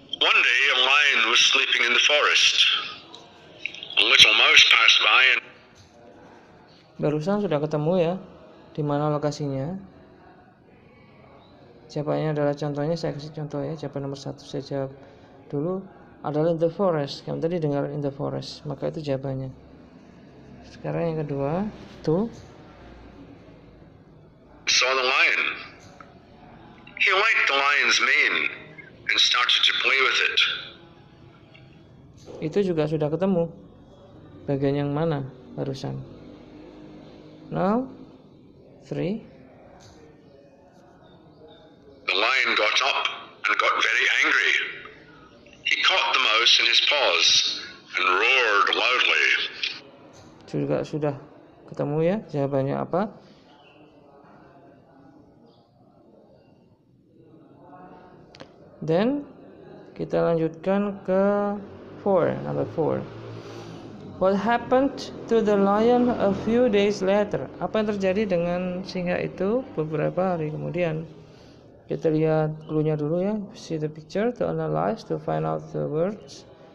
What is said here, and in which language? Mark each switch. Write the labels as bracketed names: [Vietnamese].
[English] One day a lion was sleeping in the forest. A little mouse passed by and [Indonesian] barusan sudah ketemu ya, di mana lokasinya. Jawabannya adalah contohnya, saya kasih contoh ya. Jawaban nomor 1 saya jawab dulu adalah [English] in the forest. [Indonesian] Kamu tadi dengar [English] in the forest, [Indonesian] maka itu jawabannya. Sekarang yang kedua, itu. [English] Saw the lion. He liked the lion's mane and started to play with it. [Indonesian] Itu juga sudah ketemu. Bagian yang mana barusan? [English] Now, three. got up and got very angry. He caught the mouse in his paws and roared loudly. [Indonesian] Juga sudah ketemu ya jawabannya apa? Then kita lanjutkan ke [English] number four. What happened to the lion a few days later? [Indonesian] Apa yang terjadi dengan singa itu beberapa hari kemudian? Kita lihat clue-nya dulu ya. [English] See the picture to analyze, to find out the words.